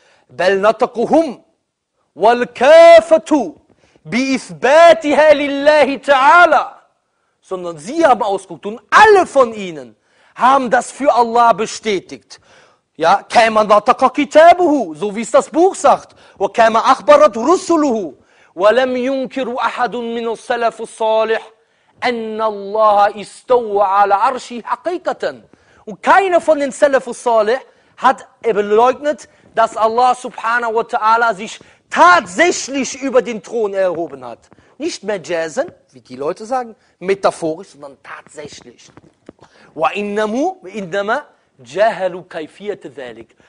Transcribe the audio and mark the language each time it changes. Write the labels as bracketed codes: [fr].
[de] Sondern sie haben ausgeguckt und alle von ihnen haben das für Allah bestätigt. [ar] Ja, كما نطق كتابه, [de] so wie es das Buch sagt, [ar] وكما أخبرت رسله, ولم ينكر أحد من السلف الصالح أن الله استوى على عرشه حقيقة. [de] Und keiner von den Salaf al-Salih hat beleugnet, dass Allah subhanahu wa ta'ala sich tatsächlich über den Thron erhoben hat. Nicht majazen, wie die Leute sagen, metaphorisch, sondern tatsächlich. [ar] وإنما جَهَلُ كَيْفِيَةِ ذَلِكَ.